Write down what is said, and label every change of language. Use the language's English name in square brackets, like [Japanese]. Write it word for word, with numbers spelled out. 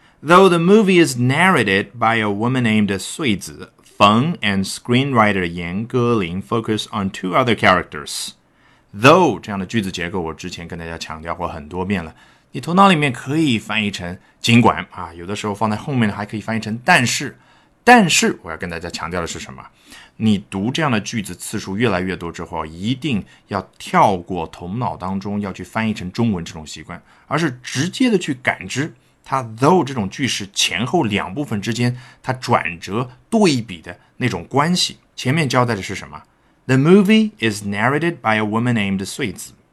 [English] Though the movie is narrated by a woman named 穗子 Feng and screenwriter 严歌苓 focus on two other characters. [Chinese] Though 这样的句子结构我之前跟大家强调过很多遍了，你头脑里面可以翻译成尽管啊，有的时候放在后面还可以翻译成但是。但是我要跟大家强调的是什么？你读这样的句子次数越来越多之后，一定要跳过头脑当中要去翻译成中文这种习惯，而是直接的去感知它 though 这种句式前后两部分之间它转折对比的那种关系。前面交代的是什么？ [English] The movie is narrated by a woman named 穗子。